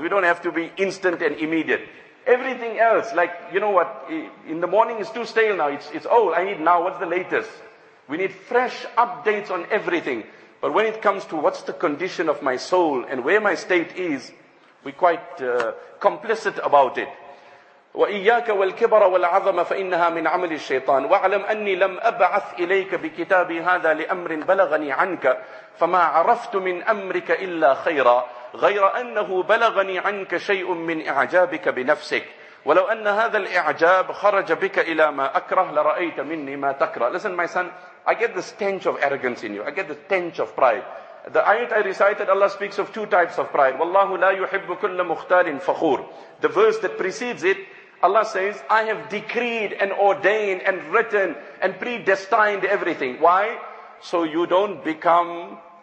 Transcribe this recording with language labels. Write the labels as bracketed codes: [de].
[en] We don't have to be instant and immediate. Everything else, like, you know what, in the morning it's too stale now, it's old, I need now, what's the latest? We need fresh updates on everything. But when it comes to what's the condition of my soul and where my state is, we're quite complicit about it. [ar] وَإِيَّاكَ وَالْكِبَرَ وَالْعَظَمَ فَإِنَّهَا مِنْ عَمَلِ الشَّيْطَانِ وَعَلَمْ أَنِّي لَمْ أَبْعَثْ إِلَيْكَ بِكِتَابِ هَذَا لِأَمْرٍ بَلَغَنِي عَنْكَ فَمَا عَرَفْتُ مِنْ أَمْرِكَ إِلَّا خَيْرًا غير أنه بلغني عنك شيء من إعجابك بنفسك ولو أن هذا الإعجاب خرج بك إلى ما أكره لرأيت مني ما تكره. [en] Listen, my son, I get the stench of arrogance in you. I get the stench of pride. The ayat I recited, Allah speaks of two types of pride. [ar] والله لا يحب كل مختال فخور. [en] The verse that precedes it, Allah says, I have decreed and ordained and written and predestined everything. Why? So you don't become